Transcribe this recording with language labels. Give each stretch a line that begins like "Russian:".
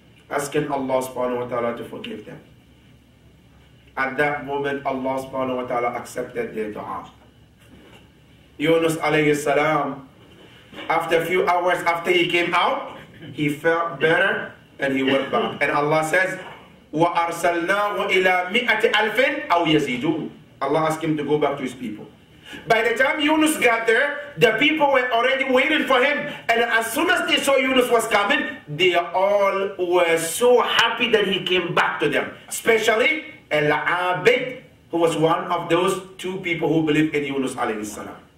English: Asking Allah subhanahu wa ta'ala to forgive them. At that moment Allah subhanahu wa ta'ala accepted their dua. Yunus alayhi salam, after a few hours after he came out, he felt better and he went back. And Allah says,
Arabic: وَأَرْسَلْنَاهُ إِلَىٰ مِئَةِ أَلْفٍ أَوْ يَزِيدُونَ.
English: Allah asked him to go back to his people. By the time Yunus got there, the people were already waiting for him. And as soon as they saw Yunus was coming, they all were so happy that he came back to them. Especially Al-Abid, who was one of those two people who believed in Yunus alayhi salam.